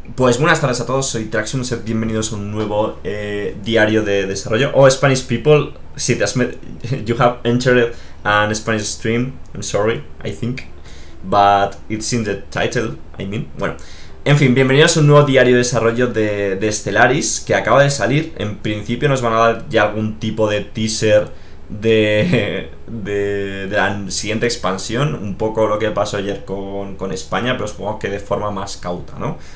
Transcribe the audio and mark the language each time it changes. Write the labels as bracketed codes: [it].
[es] Pues buenas tardes a todos, soy Traxxum, bienvenidos a un nuevo diario de desarrollo. [en] Oh, Spanish people, si te has met, you have entered an Spanish stream, I'm sorry, I think, but it's in the title, I mean. [es] Bueno, en fin, bienvenidos a un nuevo diario de desarrollo de Stellaris, que acaba de salir. En principio nos van a dar ya algún tipo de teaser de la siguiente expansión, un poco lo que pasó ayer con España, pero supongo que de forma más cauta, ¿no?